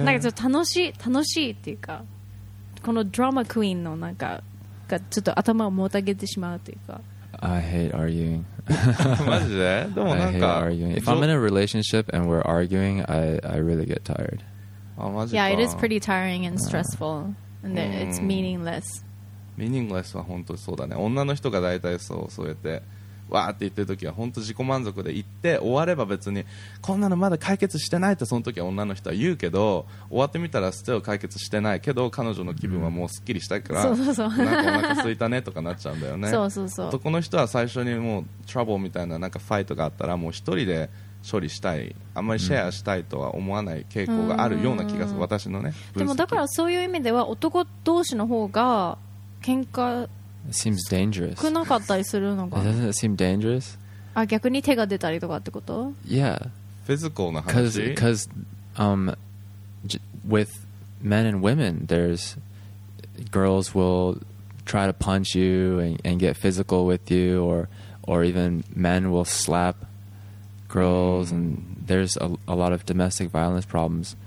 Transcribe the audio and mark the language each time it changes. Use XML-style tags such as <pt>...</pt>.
<ja>なんかちょっと楽しいっていうか、このドラマクイーンのなんかがちょっと頭をもたげてしまうっていうか。</ja> <en>I hate arguing.</en> <ja>マジで？でもなんか。</ja> <en>I hate arguing. If I'm in a relationship and we're arguing, I really get tired.</en> <ja>あ、マジか。</ja> <en>Yeah, it is pretty tiring and stressful, and it's meaningless.</en> <ja>Meaningless は本当にそうだね。女の人が大体そうやって。わーって言ってる時は本当自己満足で言って終われば別にこんなのまだ解決してないってその時は女の人は言うけど終わってみたらstill解決してないけど彼女の気分はもうすっきりしたいからそうなんかお腹空いたねとかなっちゃうんだよねそうそうそう男の人は最初にもうトラブルみたいななんかファイトがあったらもう一人で処理したいあんまりシェアしたいとは思わない傾向があるような気がする私のねでもだからそういう意味では男同士の方が喧嘩</ja> <en>It seems dangerous.</en> <ja>少なかったりするのか</ja> <en>Doesn't it seem dangerous?</en> <ja>あ、逆に手が出たりとかってこと</ja> <en>Yeah.</en> <ja>Physical な話</ja> <en>Because with men and women, there's girls will try to punch you and get physical with you or even men will slap girls and there's a lot of domestic violence problems.</en>